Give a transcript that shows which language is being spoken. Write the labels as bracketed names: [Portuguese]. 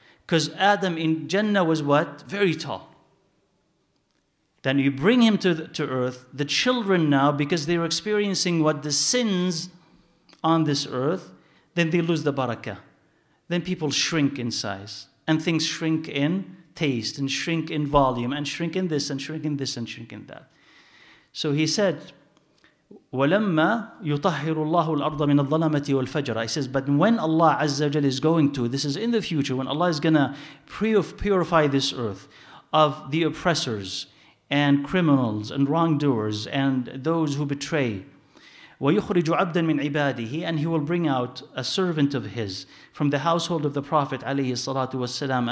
[English] Because Adam in Jannah was what? Very tall. Then you bring him to earth, the children now, because they're experiencing what the sins on this earth, then they lose the barakah. Then people shrink in size, and things shrink in taste, and shrink in volume, and shrink in this, and shrink in this, and shrink in that. So he said, [Arabic] وَلَمَّا يُطَهِّرُ اللَّهُ الْأَرْضَ مِنَ الظَّلَمَةِ وَالْفَجْرَ. [English] He says, but when Allah Azza wa Jalla is going to, this is in the future, when Allah is going to purify this earth of the oppressors, and criminals, and wrongdoers, and those who betray. [Arabic] وَيُخْرِجُ عَبْدًا مِنْ عِبَادِهِ. [English] And he will bring out a servant of his from the household of the Prophet [Arabic] عليه الصلاة والسلام.